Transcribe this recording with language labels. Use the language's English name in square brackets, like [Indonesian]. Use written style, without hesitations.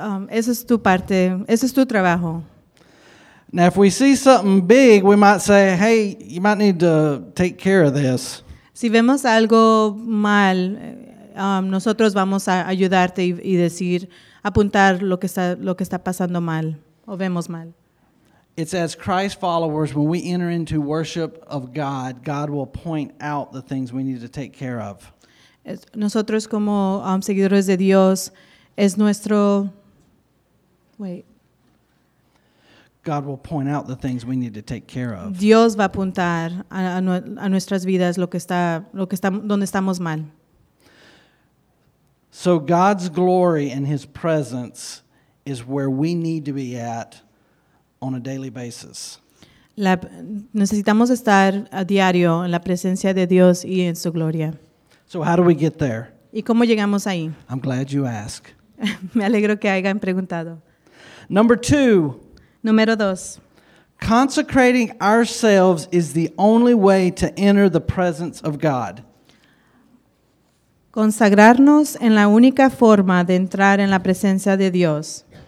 [Spanish] Esa es tu parte, ese es tu trabajo. [English] Now, if we see something big, we might say, hey, you might need to take care of this. [Spanish] Si vemos algo mal, nosotros vamos a ayudarte y decir, apuntar lo que está pasando mal o vemos mal. [English] It's as Christ followers, when we enter into worship of God, God will point out the things we need to take care of. [Spanish] Nosotros como seguidores de Dios, es nuestro... [English] God will point out the things we need to take care of. [Spanish] Dios va a apuntar a nuestras vidas lo que está donde estamos mal. [English] So God's glory and his presence is where we need to be at on a daily basis. [Spanish] Necesitamos estar a diario en la presencia de Dios y en su gloria. [English] So how do we get there? [Spanish] ¿Y cómo llegamos ahí? [English] I'm glad you asked. [Spanish] Me alegro que hayan preguntado. [English] Number two. [Spanish] Número dos. [English] Consecrating ourselves is the only way to enter the presence of God. [Spanish] Consagrarnos es la única forma de entrar en la presencia de Dios.